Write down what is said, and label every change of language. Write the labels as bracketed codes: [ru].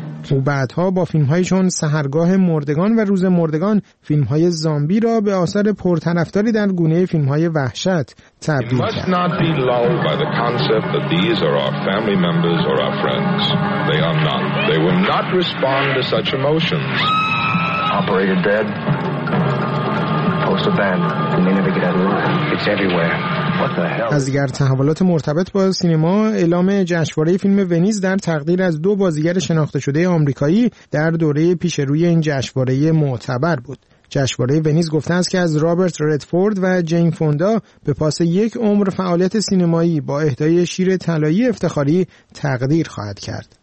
[fa] و بعدها با فیلم‌های چون سحرگاه مردگان و روز مردگان فیلم‌های زامبی را به آثار پرطرفداری در گونه فیلم‌های وحشت تبدیل کرد. [en] Must not be lulled by the concept that these are our family members or our friends. They are not. They will not respond to such emotions. Operated dead. Post abandoned. We need to get out of here. It's everywhere. [fa] از دیگر تحولات مرتبط با سینما، اعلام جشنواره فیلم ونیز در تقدیر از دو بازیگر شناخته شده آمریکایی در دوره پیش روی این جشنواره معتبر بود. جشنواره ونیز گفته است که از رابرت ردفورد و جین فوندا به پاس یک عمر فعالیت سینمایی با اهدای شیر طلایی افتخاری تقدیر خواهد کرد.